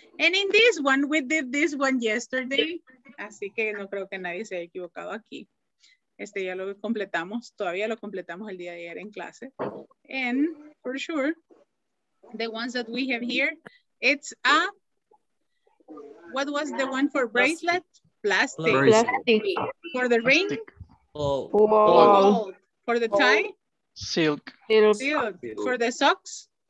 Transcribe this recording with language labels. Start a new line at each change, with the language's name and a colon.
English: And in this one, we did this one yesterday.
Spanish: Así que no creo que nadie se haya equivocado aquí. Este ya lo completamos. Todavía lo completamos el día de ayer en clase.
English: And for sure, the ones that we have here, it's a, what was the one for bracelet? Plastic. For the ring? Gold. For the tie? Silk. Silk. For the socks?